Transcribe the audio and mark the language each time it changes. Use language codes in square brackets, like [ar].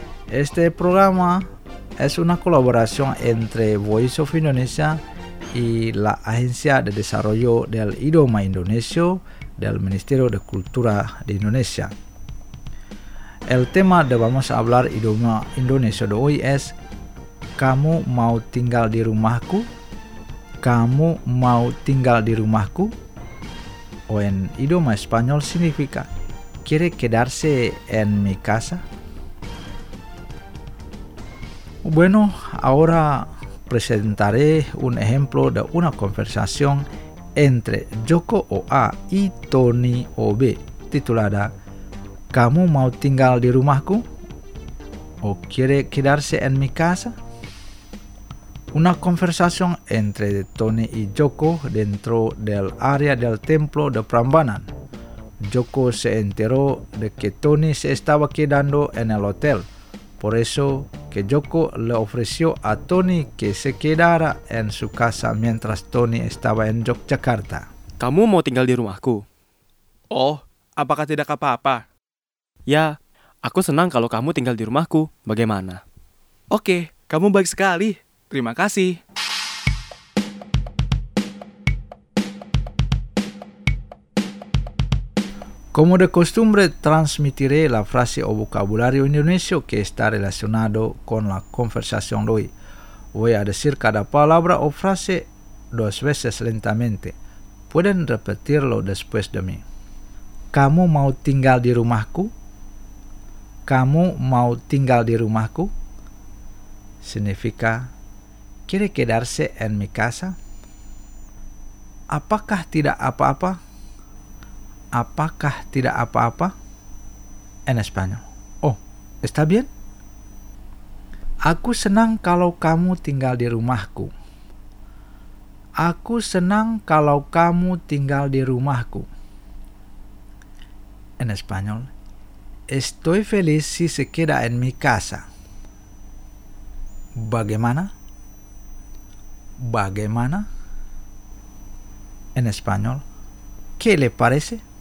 [es] Este programa es una colaboración entre Voice of Indonesia y la Agencia de Desarrollo del Idioma Indonesio del Ministerio de Cultura de Indonesia. El tema de Vamos a hablar idioma indonesio de hoy es [id] ¿Kamu mau tinggal di rumahku? ¿Kamu mau tinggal di rumahku? [es] O en idioma español significa ¿Quiere quedarse en mi casa? Bueno, ahora presentaré un ejemplo de una conversación entre Joko OA y Tony OB titulada [id] ¿Kamu mau tinggal di rumahku? [es] ¿O quiere quedarse en mi casa? Una conversación entre Tony y Joko dentro del área del templo de Prambanan. Joko se enteró de que Tony se estaba quedando en el hotel. Por eso que Joko le ofreció a Tony que se quedara en su casa mientras Tony estaba en Yogyakarta. [id] ¿Kamu mau tinggal di rumahku? Oh, apakah tidak apa-apa? Ya, aku senang kalau kamu tinggal di rumahku. Bagaimana? Oke, kamu baik sekali. Terima kasih. [es] Como de costumbre, transmitiré la frase o vocabulario indonesio que está relacionado con la conversación de hoy. Voy a decir cada palabra o frase dos veces lentamente. Pueden repetirlo después de mí. [id] ¿Kamu mau tinggal di rumahku? ¿Kamu mau tinggal di rumahku? [es] Significa, ¿quiere quedarse en mi casa? [id] ¿Apakah tidak apa-apa? ¿Apakah tidak apa-apa? [es] En español. Oh, ¿está bien? [id] Aku senang kalau kamu tinggal di rumahku. Aku senang kalau kamu tinggal di rumahku. [es] En español. Estoy feliz si se queda en mi casa. [id] ¿Bagaimana? ¿Bagaimana? [es] En español. ¿Qué le parece?